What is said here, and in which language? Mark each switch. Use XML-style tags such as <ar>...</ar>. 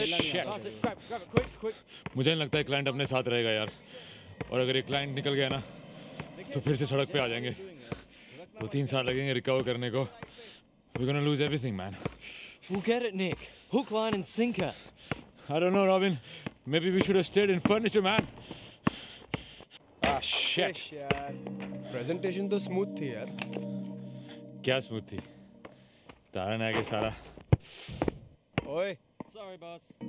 <hi>मुझे नहीं लगता है क्लाइंट अपने साथ रहेगा यार, और अगर ये क्लाइंट निकल गया ना तो फिर से सड़क पे आ जाएंगे, तो 3 साल लगेंगे रिकवर करने को।</hi> <en>We're gonna lose everything, man. We'll get it, Nick. Hook, line and sinker. I don't know, Robin. Maybe we should have stayed in furniture, man. Ah, shit.</en> <hi>Presentation तो स्मूथ थी यार। क्या स्मूथ थी? तारण आ गया सारा। ओए। Sorry boss.</hi>